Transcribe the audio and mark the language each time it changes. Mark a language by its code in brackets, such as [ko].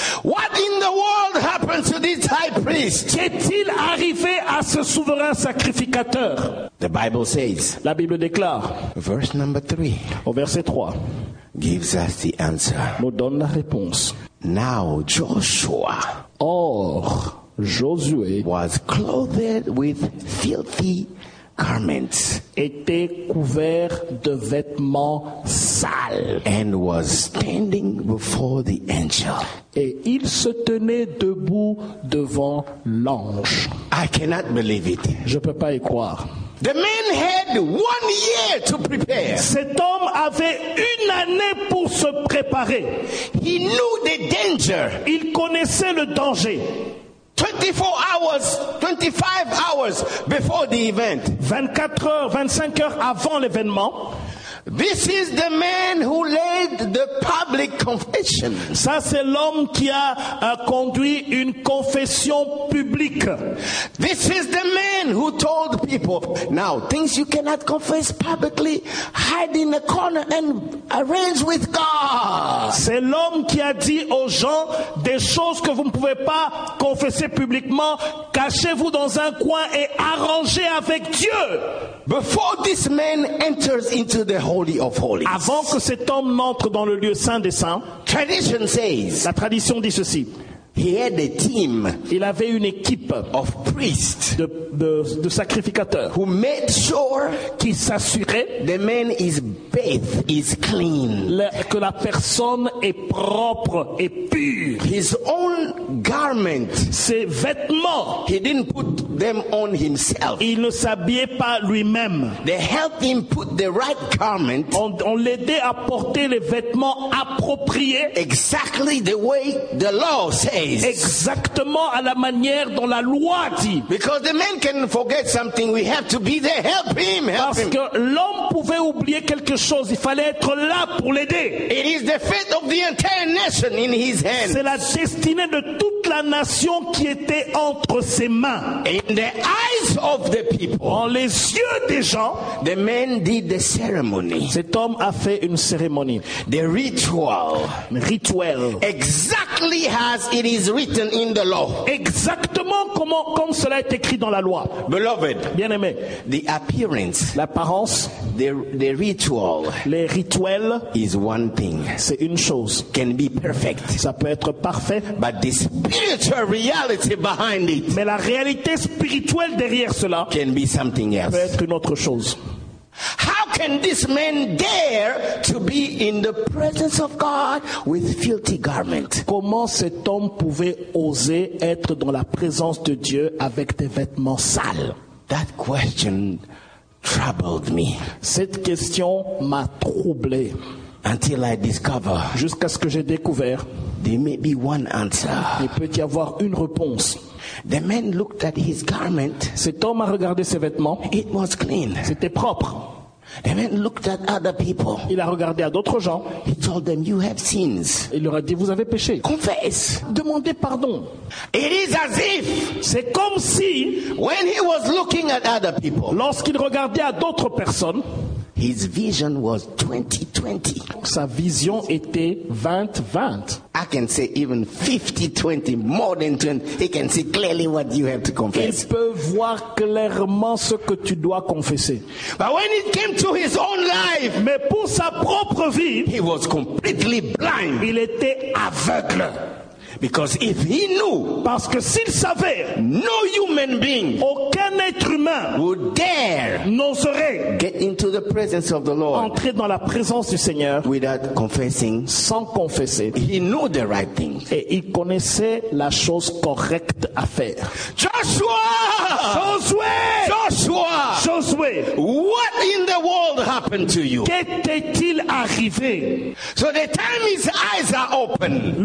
[en] What in the world happened to this high priest? [fr] Qu'est-il arrivé à ce souverain sacrificateur? [en] The Bible says. [fr] La Bible déclare. [en] Verse number 3. [fr] Au verset 3. [en] Gives us the answer. [fr] Nous donne la réponse. [en] Now Joshua. [fr] Or, Josué [en] was clothed with filthy garments, [fr] était couvert de vêtements sales, [en] and was standing before the angel. [fr] Et il se tenait debout devant l'ange. [en] I cannot believe it. [fr] Je peux pas y croire. [en] The man had 1 year to prepare. [fr] Cet homme avait une année pour se préparer. [en] He knew the danger. [fr] Il connaissait le danger. [en] 24 hours, 25 hours before the event. [fr] 24 heures, 25 heures avant l'événement. [en] This is the man who led the public confession. [fr] Ça, c'est l'homme qui a conduit une confession publique. [en] This is the man who told people, now, things you cannot confess publicly, hide in a corner and arrange with God. [fr] C'est l'homme qui a dit aux gens des choses que vous ne pouvez pas confesser publiquement, cachez-vous dans un coin et arrangez avec Dieu. [en] Before this man enters into the Holy of Holies. [fr] Avant que cet homme n'entre dans le lieu saint des saints, [en] tradition says, [fr] la tradition dit ceci. [en] He had a team, [fr] il avait une équipe [en] of priests, [fr] de sacrificateurs, [en] who made sure, [fr] qui s'assurait, [en] the man is bathed, is clean, [fr] que la personne est propre et pure. [en] His own garment, [fr] ses vêtements, [en] he didn't put them on himself. [fr] Il ne s'habillait pas lui-même. [en] They helped him put the right garment, [fr] on l'aidait à porter les vêtements appropriés, [en] exactly the way the law said. [fr] Exactement à la manière dont la loi dit. [en] Because the man can forget something, we have to be there. Help him, help [fr] Parce [en] him. [fr] Que l'homme pouvait oublier quelque chose, il fallait être là pour l'aider. [en] It is the fate of the entire nation in his hands. [fr] C'est la destinée de toute la nation qui était entre ses mains. [en] In the eyes of the people. [fr] En les yeux des gens, [en] the man did the ceremony. [fr] Cet homme a fait une cérémonie. [en] The ritual. [fr] Rituel. [en] Exactly as it is written in the law. [fr] Exactement comme cela est écrit dans la loi. [en] Beloved, [fr] bien-aimé, [en] the appearance, [fr] l'apparence, [en] the ritual, [fr] les rituels, [en] is one thing. [fr] C'est une chose. [en] Can be perfect. [fr] Ça peut être parfait. [en] But the spiritual reality behind it, [fr] mais la réalité spirituelle derrière cela, [en] can be something else. [fr] Peut être une autre chose. [en] How can this man dare to be in the presence of God with filthy garments? [fr] Comment cet homme pouvait oser être dans la présence de Dieu avec des vêtements sales? [en] That question troubled me. [fr] Cette question m'a troublé. [en] Until I discover, [fr] jusqu'à ce que j'ai découvert, [en] there may be one answer. [fr] Il peut y avoir une réponse. [en] The man looked at his garment. [fr] Cet homme a regardé ses vêtements. [en] It was clean. [fr] C'était propre. [en] The man looked at other people. [fr] Il a regardé à d'autres gens. [en] He told them, "You have sins." [fr] Il leur a dit, vous avez péché. [en] Confess. [fr] Demandez pardon. [en] It is as if, [fr] c'est comme si, [en] when he was looking at other people, [fr] lorsqu'il regardait à d'autres personnes, [en] his vision was 20/20. [fr] Sa vision était 20/20. [en] I can say even 50/20, more than 20. He can see clearly what you have to confess. [fr] Il peut voir clairement ce que tu dois confesser. [en] But when it came to his own life, [fr] mais pour sa propre vie, [en] he was completely blind. [fr] Il était aveugle. [en] Because if he knew, [fr] parce que s'il savait, [en] no human being, [fr] aucun être humain, [en] would dare, [fr] n'oserait, [en] get into the presence of the Lord, [fr] entrer dans la présence du Seigneur, [en] without confessing, [fr] sans confesser, [en] he knew the right thing, [fr] et il connaissait la chose correcte à faire. [en] Joshua, [fr] Josué, [en] Joshua, [fr] Josué, [en] what in the world happened to you? [fr] Qu'était-il arrivé? [en] So the time his eyes are open,